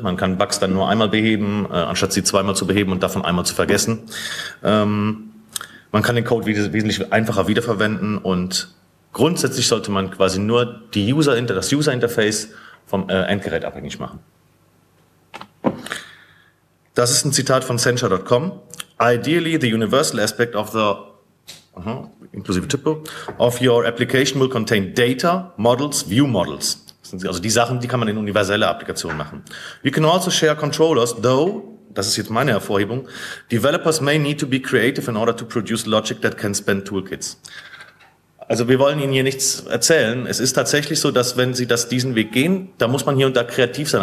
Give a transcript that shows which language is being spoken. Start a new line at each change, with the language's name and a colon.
German: Man kann Bugs dann nur einmal beheben, anstatt sie zweimal zu beheben und davon einmal zu vergessen. Man kann den Code wesentlich einfacher wiederverwenden und grundsätzlich sollte man quasi nur das User-Interface vom Endgerät abhängig machen. Das ist ein Zitat von Censure.com.
English: Ideally, the universal aspect of the inklusive Typo, of your application will contain data, models, view models.
German: Das sind also die Sachen, die kann man in universelle Applikationen machen.
English: You can also share controllers, though,
German: das ist jetzt meine Hervorhebung,
English: developers may need to be creative in order to produce logic that can span toolkits.
German: Also wir wollen Ihnen hier nichts erzählen. Es ist tatsächlich so, dass wenn Sie diesen Weg gehen, da muss man hier und da kreativ sein.